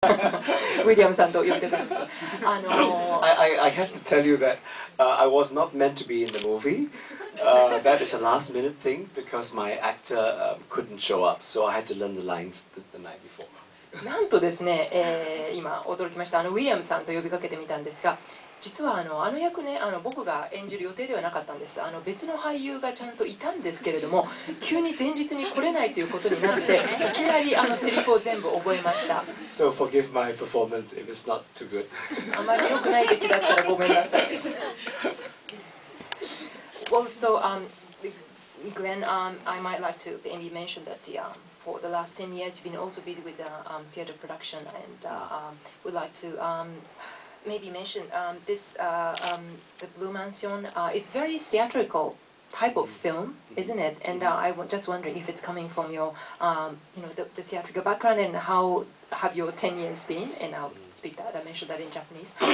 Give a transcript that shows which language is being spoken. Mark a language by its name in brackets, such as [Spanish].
[Japanese] ウィリアムさんと呼んでたんですけど、 [English] I have to tell you that、I was not meant to be in the movie、that is a last minute thing because my actor、couldn't show up so I had to learn the lines the night before [Japanese] なんとですね、今驚きました。ウィリアムさんと呼びかけてみたんですが、実はあの役ね、僕が演じる予定ではなかったんです。別の俳優がちゃんといたんですけれども、急に前日に来れないということになって、いきなりセリフを全部覚えました。 [English] So forgive my performance if it's not too good. [Japanese] あまり良くない出来だったらごめんなさい。 [English] Well, so, Glenn, I might like to maybe mention that the, for the last 10 years you've been also busy with a, theater production and would like to... maybe mention this the Blue Mansion it's very theatrical type of film isn't it and I was just wondering if it's coming from your you know the theatrical background and how have your 10 years been and I'll speak that I mentioned that in Japanese